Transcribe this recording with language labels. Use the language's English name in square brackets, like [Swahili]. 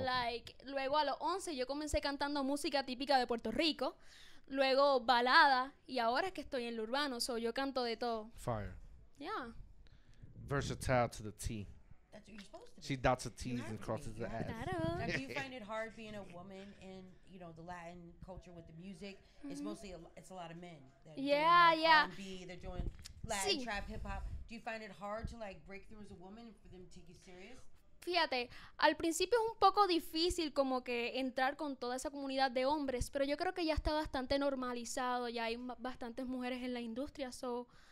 [English] Like, [Spanish] luego a los 11 yo comencé cantando música típica de Puerto Rico, luego balada, y ahora es que estoy en lo urbano, so yo canto de todo. [English] Fire. Yeah. Versatile to the T. That's what you're supposed to be. She dots the T's and crosses the S's. Now, do you find it hard being a woman in, you know, the Latin culture with the music? Mm-hmm. It's mostly, it's a lot of men. That yeah, doing like yeah. R&B, they're doing Latin sí. Trap, hip-hop. Do you find it hard to, like, break through as a woman for them to take you serious? [Spanish] Fíjate, al principio es un poco difícil como que entrar con toda esa comunidad de hombres, pero yo creo que ya está bastante normalizado, ya hay bastantes mujeres en la industria, so...